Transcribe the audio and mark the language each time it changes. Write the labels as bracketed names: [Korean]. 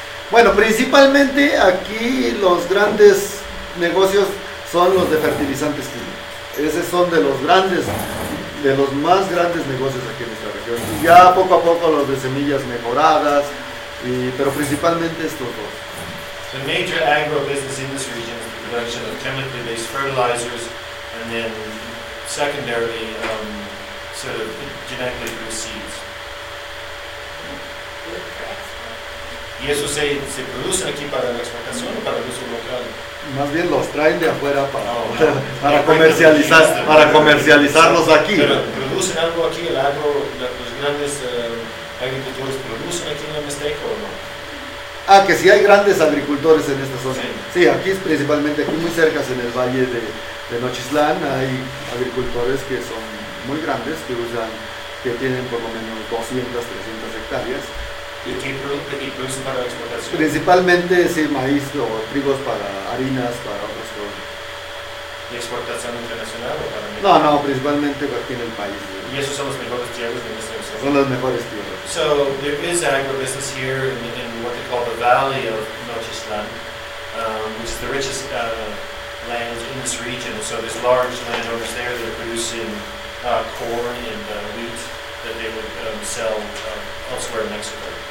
[Spanish] Bueno, principalmente aquí los grandes negocios son los de fertilizantes químicos. Esos son de los grandes, de los más grandes negocios aquí en nuestra región. Y ya poco a poco los de semillas mejoradas, pero principalmente estos dos. [English] The major agrobusiness in this region is the production of chemically based fertilizers and then secondary sort of genetically produced seeds. [Spanish] ¿Y eso se produce aquí para la exportación o para el uso local? Más bien los traen de afuera para comercializarlos aquí. Pero ¿producen algo aquí? ¿El agro, los grandes agricultores producen aquí en la Mixteca o no? Ah, que sí hay grandes agricultores en esta zona. Sí, aquí es principalmente, aquí muy cerca, en el valle de Nochislán, hay agricultores que son muy grandes, que usan, que tienen por lo menos 200, 300 hectáreas. ¿Y qué producen para la exportación? Principalmente, sí, maíz o trigos para harinas, para otras cosas. ¿Y exportación internacional o para México? No, principalmente aquí en el país. ¿Y esos son los mejores tierras de nuestra zona? Son las mejores tierras. [English] So, there is agribusiness here in what they call the Valley of Nochistlan, which is the richest lands in this region. So, there's large landowners there that are producing corn and wheat that they would sell elsewhere in Mexico.